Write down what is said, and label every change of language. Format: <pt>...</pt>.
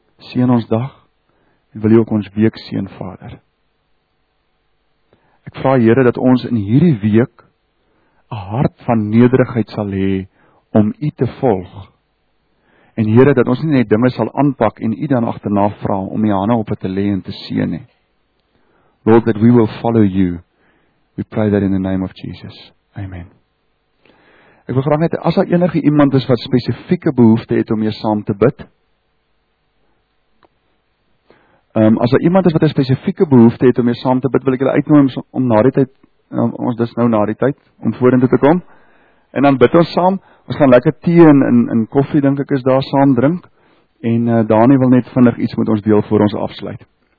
<af>Seën ons dag en wil U ook ons week seën, Vader. Ek vra Here dat ons in hierdie week 'n hart van nederigheid sal hê om U te volg. En Here, dat ons nie net dinge sal aanpak en U dan agterna vra om U hande op te lê en te seën nie.</af> <en>Lord, that we will follow You. We pray that in the name of Jesus.</en> <af>Amen. Ek wil graag net, as daar enige iemand is wat spesifieke behoefte het om hier saam te bid. As daar iemand is wat 'n spesifieke behoefte het om hier saam te bid, wil ek julle uitnooi om na die tyd, ons dis nou na die tyd, om vorentoe te kom. En dan bid ons saam. Ons gaan lekker tee en koffie, dink ek, is daar saam drink. En Dani wil net vinnig iets met ons deel voor ons afsluit.</af>